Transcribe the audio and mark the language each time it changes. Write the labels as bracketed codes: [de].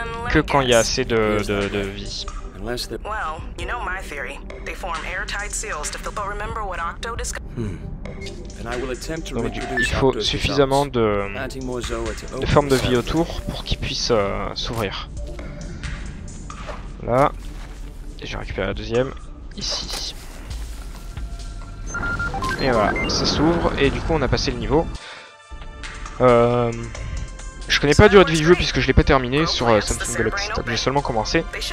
[fr] Que quand il y a assez de vie. [en] Well, you know my theory. They form airtight seals to fill. But remember what Octo discovered. Then I will attempt to reproduce. [fr] Il faut suffisamment de formes de vie autour pour qu'ils puissent s'ouvrir. Là, et j'ai récupéré la deuxième ici. Et voilà, ça s'ouvre et du coup on a passé le niveau. Je connais pas la durée de vie du jeu puisque je l'ai pas terminé sur Samsung Galaxy Tab, j'ai seulement commencé.